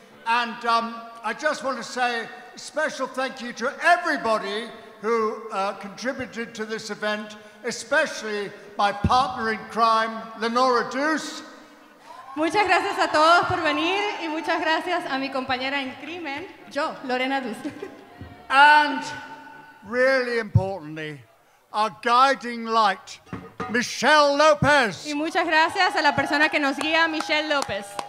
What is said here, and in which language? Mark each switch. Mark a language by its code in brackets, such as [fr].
[en] And I just want to say a special thank you to everybody who contributed to this event, especially my partner in crime, Lenora Deuce. [es] Muchas gracias a todos por venir, y muchas gracias a mi compañera en crimen, yo, Lorena Deuce. [en] And really importantly, our guiding light, Michelle Lopez. [es] Y muchas gracias a la persona que nos guía, Michelle Lopez.